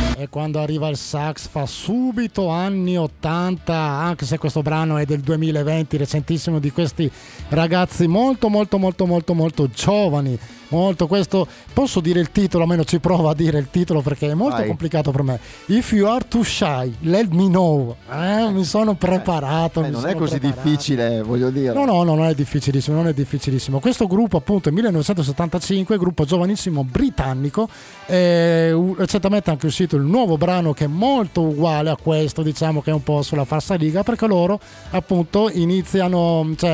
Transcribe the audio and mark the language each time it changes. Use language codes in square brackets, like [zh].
[it] quando arriva il sax fa subito anni 80, anche se questo brano è del 2020, recentissimo, di questi ragazzi molto molto molto molto molto giovani. Molto, questo posso dire il titolo, almeno ci provo a dire il titolo perché è molto complicato per me. [en] If you are too shy, let me know. [it] Mi sono preparato. Non sono è così preparato. Difficile, voglio dire. No, non è difficilissimo, non è difficilissimo. Questo gruppo, appunto, è 1975, gruppo giovanissimo britannico. È recentemente anche uscito il nuovo brano che è molto uguale a questo, diciamo che è un po' sulla falsariga, perché loro, appunto, iniziano.